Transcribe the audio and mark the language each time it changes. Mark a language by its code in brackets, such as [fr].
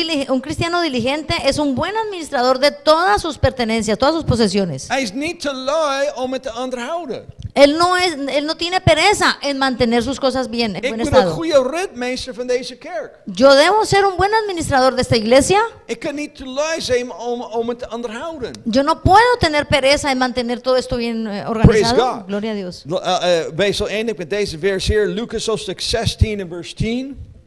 [es] Un cristiano diligente es un buen administrador de todas sus pertenencias, todas sus posesiones. [nl] Hij is niet te lui om het te onderhouden. [es] Él no tiene pereza en mantener sus cosas bien, en buen estado. [nl] Ik ben een goede rentmeester van deze kerk. [es] Yo debo ser un buen administrador de esta iglesia. [nl] Ik kan niet te lui zijn om het te onderhouden. [es] Yo no puedo tener pereza en mantener todo esto bien organizado. Gloria a Dios. [nl] Wees al eindig met deze vers hier, Lucas hoofdstuk 16 en vers 10.